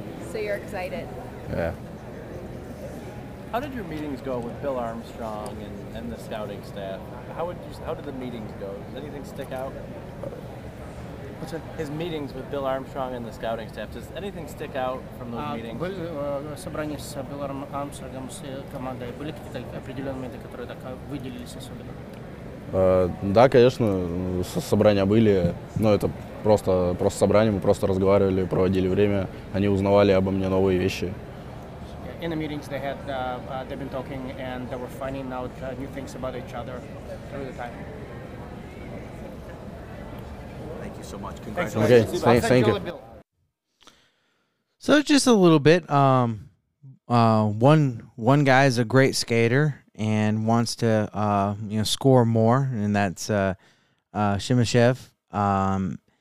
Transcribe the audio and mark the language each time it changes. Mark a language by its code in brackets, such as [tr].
[en] So you're excited? Yeah. How did your meetings go with Bill Armstrong and the scouting staff? How did the meetings go? Does anything stick out? His meetings with Bill Armstrong and the scouting staff, does anything stick out from those meetings? [ru] Собрание с Биллом Армстронгом с командой были какие-то определенные моменты, которые так выделились особенно? Да, конечно, собрания были, но это просто собрание, мы просто разговаривали, проводили время, они узнавали обо мне новые вещи. [en] In the meetings they had, they've been talking and they were finding out new things about each other through the time. Thank you so much. Congratulations. Okay, thank you. So just a little bit, one guy is a great skater and wants to score more, and that's Shimashev.